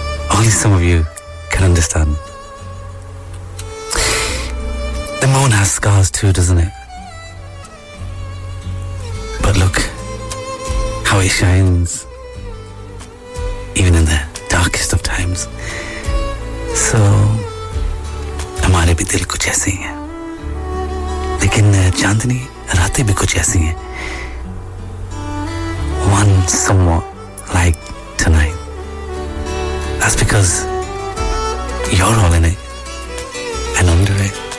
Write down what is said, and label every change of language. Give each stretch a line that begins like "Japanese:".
English: Only some of you can understand. The moon has scars too, doesn't it? But look how it shines, even in the darkest of times.
Hindi: So, हमारे भी दिल कुछ ऐसे ही हैं, लेकिन चांदनी रातें भी कुछ ऐसी हैं.
English: One somewhat like tonight. That's because you're all in it and under it.